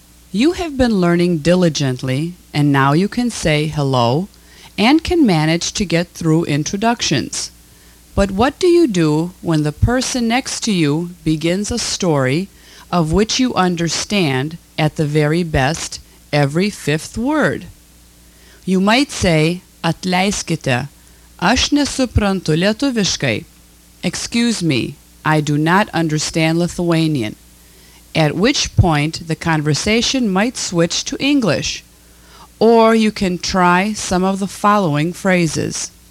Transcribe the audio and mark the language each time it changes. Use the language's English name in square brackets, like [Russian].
[English] You have been learning diligently, and now you can say hello and can manage to get through introductions. But what do you do when the person next to you begins a story of which you understand, at the very best, every fifth word? You might say, [Lithuanian] Atleiskite, aš nesuprantu lietuviškai. [English] Excuse me, I do not understand Lithuanian. At which point the conversation might switch to English. Or you can try some of the following phrases.